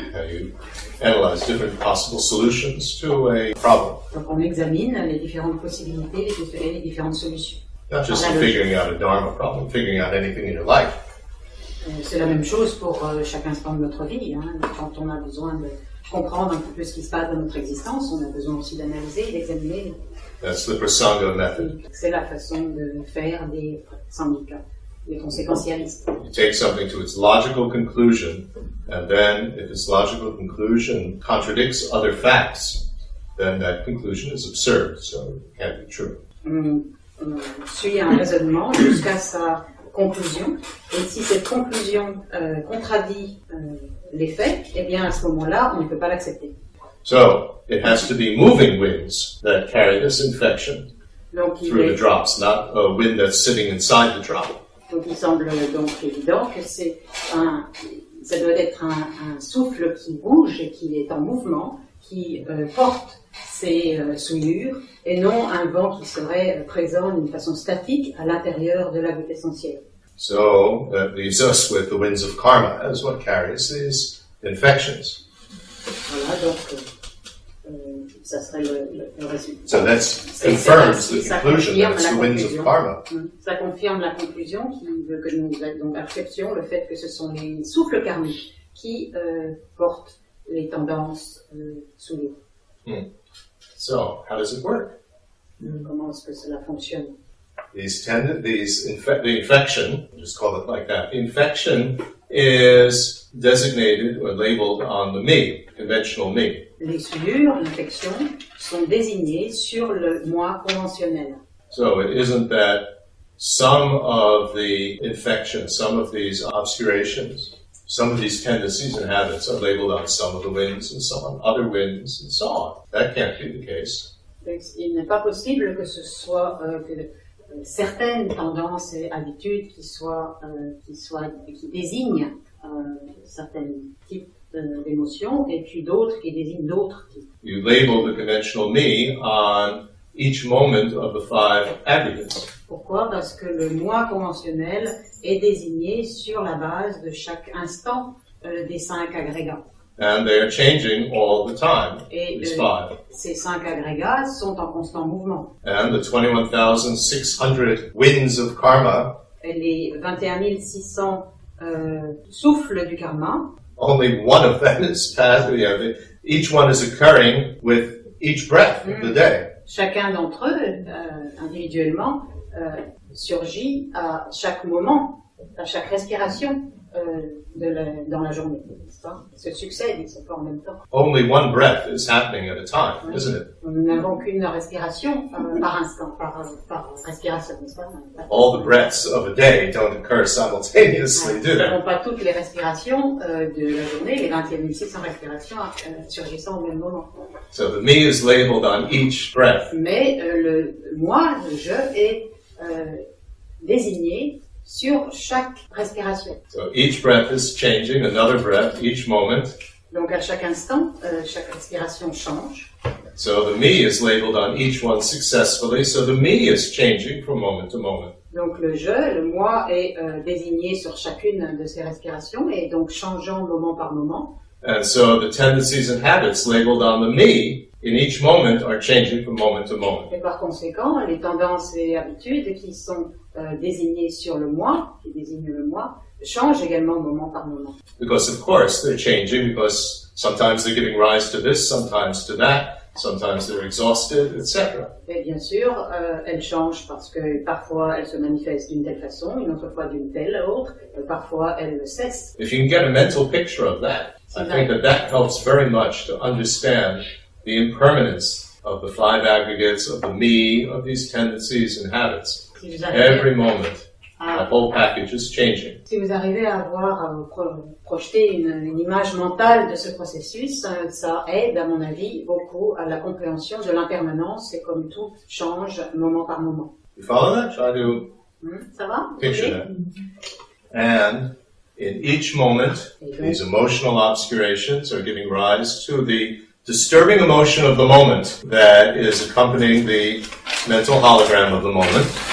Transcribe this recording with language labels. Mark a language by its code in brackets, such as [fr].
[en] How you analyze different possible solutions to a problem. [fr] Donc on examine les différentes possibilités et les différentes solutions. [en] Not just figuring out a dharma problem, figuring out anything in your life. [fr] C'est la même chose pour chaque instant de notre vie. Hein. Quand on a besoin de comprendre un peu plus ce qui se passe dans notre existence, on a besoin aussi d'analyser et d'examiner. [en] That's the prasanga method. [fr] C'est la façon de faire des prasangika, des conséquentialistes. [en] You take something to its logical conclusion, and then if its logical conclusion contradicts other facts, then that conclusion is absurd, so it can't be true. [fr] On suit un raisonnement jusqu'à sa conclusion, et si cette conclusion contradit les faits, eh bien à ce moment-là, on ne peut pas l'accepter. [en] So, it has to be moving winds that carry this infection through the drops, not a wind that's sitting inside the drop. [fr] Donc il semble donc évident que c'est un, ça doit être un souffle qui bouge et qui est en mouvement, qui porte ses souillures, et non un vent qui serait présent d'une façon statique à l'intérieur de la goutte essentielle. [en] So, that leaves us with the winds of karma as what carries these infections. [fr] Voilà, donc, ça serait le résultat. [en] So that confirms the conclusion that it's the winds of karma. [fr] Ça confirme la conclusion qui veut que nous donc acceptions le fait que ce sont les souffles karmiques qui portent les tendances sous l'eau. [en] So how does it work? [fr] Comment est-ce que cela fonctionne? [en] The infection, just call it like that. The infection is designated or labeled on the me, conventional me. [fr] Les souillures, l'infection, sont désignées sur le moi conventionnel. [en] So it isn't that some of the infections, some of these obscurations, some of these tendencies and habits are labeled on some of the winds and some on other winds and so on. That can't be the case. [fr] Il n'est pas possible que ce soit certaines tendances et habitudes qui désignent certains types d'émotions et puis d'autres qui désignent d'autres types. [en] You label the conventional me on each moment of the five aggregates. [fr] Pourquoi? Parce que le moi conventionnel est désigné sur la base de chaque instant des cinq agrégats. [en] And they are changing all the time, [fr] et [en] these five. [fr] Ces cinq agrégats sont en constant mouvement. [en] And the 21,600 winds of karma, [fr] et les 21,600 souffles du karma, [en] only one of them is passing, you know, each one is occurring with each breath of the day. [fr] Chacun d'entre eux, individuellement, surgit à chaque moment, à chaque respiration. Dans la journée, se succèdent, ils sont pas en même temps. [en] Only one breath is happening at a time, isn't it? [fr] Nous n'avons qu'une respiration par instant, par respiration, n'est-ce pas? [en] All the breaths of a day don't occur simultaneously, do they? [fr] Pas toutes les respirations de la journée, les 21,600 respirations surgissant au même moment. [en] So the me is labeled on each breath. [fr] Mais le moi, le je, est désigné sur chaque respiration. [en] So each breath is changing, another breath, each moment. [fr] Donc à chaque instant, chaque respiration change. [en] So the me is labeled on each one successfully, so the me is changing from moment to moment. [fr] Donc le je, le moi, est désigné sur chacune de ces respirations et donc changeant moment par moment. [en] And so the tendencies and habits labeled on the me in each moment are changing from moment to moment. [fr] Et par conséquent, les tendances et habitudes qui sont désignées sur le moi, qui désigne le moi, changent également moment par moment. [en] Because of course they're changing, because sometimes they're giving rise to this, sometimes to that, sometimes they're exhausted, etc. [fr] Et bien sûr, elles changent parce que parfois elles se manifestent d'une telle façon, une autre fois d'une telle autre, et parfois elles le cessent. [en] If you can get a mental picture of that, I think that helps very much to understand the impermanence of the five aggregates, of the me, of these tendencies and habits. Every moment, the whole package is changing. [fr] Si vous arrivez à voir, à projeter une image mentale de ce processus, ça aide, à mon avis, beaucoup à la compréhension de l'impermanence et comme tout change moment par moment. [en] You follow that? Try to picture that. And in each moment, these emotional obscurations are giving rise to the disturbing emotion of the moment that is accompanying the mental hologram of the moment.